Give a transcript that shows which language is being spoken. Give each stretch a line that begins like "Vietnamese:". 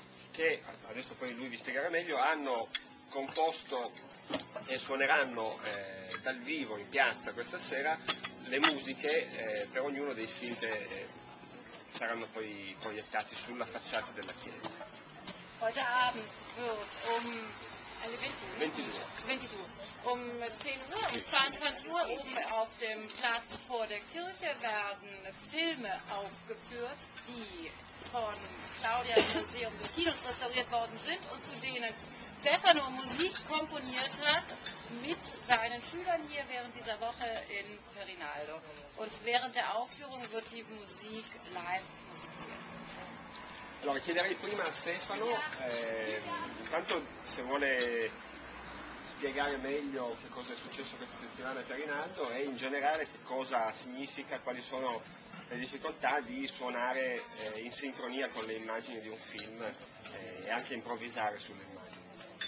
Italian: che, adesso poi lui vi spiegherà meglio, hanno composto e suoneranno dal vivo in piazza questa sera le musiche per ognuno dei film che saranno poi proiettati sulla facciata della chiesa.
German: Heute Abend wird alle 22 Uhr, 22 Uhr oben auf dem Platz vor der Kirche werden Filme aufgeführt, die von Claudia im Museum des Kinos restauriert worden sind und zu denen Stefano Musik komponiert hat mit seinen Schülern hier während dieser Woche in Perinaldo. Und während der Aufführung wird die Musik live musiziert.
Italian: Allora chiederei prima a Stefano, intanto se vuole spiegare meglio che cosa è successo questa settimana per Rinaldo e in generale che cosa significa, quali sono le difficoltà di suonare in sincronia con le immagini di un film e anche improvvisare sulle immagini.